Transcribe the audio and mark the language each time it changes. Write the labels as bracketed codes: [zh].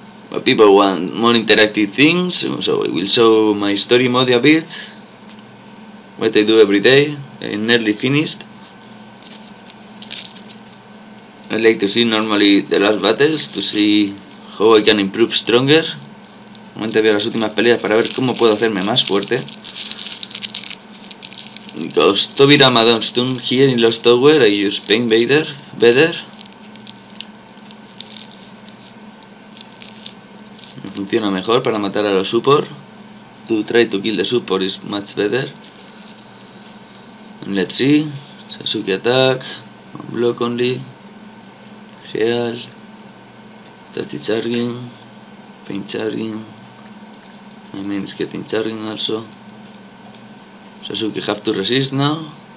[en] But people want more interactive things, so I will show my story mode a bit. What I do every day, I nearly finished. I like to see normally the last battles to see how I can improve stronger. [es] Normalmente veo las últimas peleas para ver cómo puedo hacerme más fuerte. [en] Because Toby Ramadon's turn here in Lost Tower, I use Pain Vader better. [es] Me funciona mejor para matar a los support. [en] To try to kill the support is much better. And let's see. Sasuke attack. One block only. Heal. Touchy charging. Pain charging. My main is getting charging also. Sasuke have to resist now.